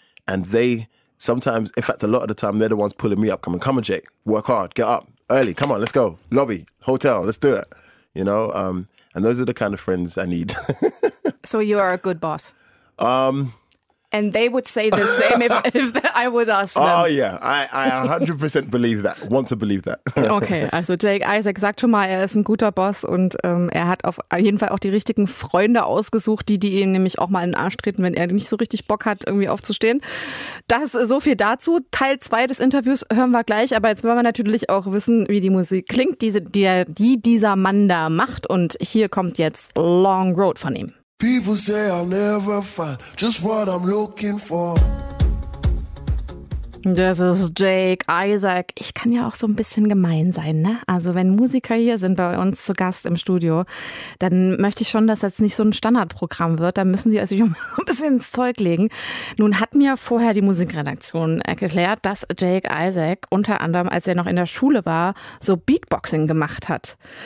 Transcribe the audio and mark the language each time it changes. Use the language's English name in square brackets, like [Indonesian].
[English] And they sometimes, in fact, a lot of the time, they're the ones pulling me up, coming, come on, Jake, work hard, get up, early. Come on, let's go. Lobby, hotel, let's do it. You know, and those are the kind of friends I need. So you are a good boss. And they would say the same if I would ask them. Oh, yeah. I 100% believe that. Want to believe that. [German] Okay, also Jake Isaac sagt schon mal, er ist ein guter Boss und er hat auf jeden Fall auch die richtigen Freunde ausgesucht, die ihn nämlich auch mal in den Arsch treten, wenn er nicht so richtig Bock hat, irgendwie aufzustehen. Das ist so viel dazu. Teil 2 des Interviews hören wir gleich, aber jetzt wollen wir natürlich auch wissen, wie die Musik klingt, die dieser Mann da macht. Und hier kommt jetzt Long Road von ihm. [English] People say I'll never find just what I'm looking for. [German] Das ist Jake Isaac. Ich kann ja auch so ein bisschen gemein sein, ne? Also wenn Musiker hier sind bei uns zu Gast im Studio, dann möchte ich schon, dass das jetzt nicht so ein Standardprogramm wird. Da müssen sie also ein bisschen ins Zeug legen. Nun hat mir vorher die Musikredaktion erklärt, dass Jake Isaac unter anderem, als er noch in der Schule war, so Beatboxing gemacht hat.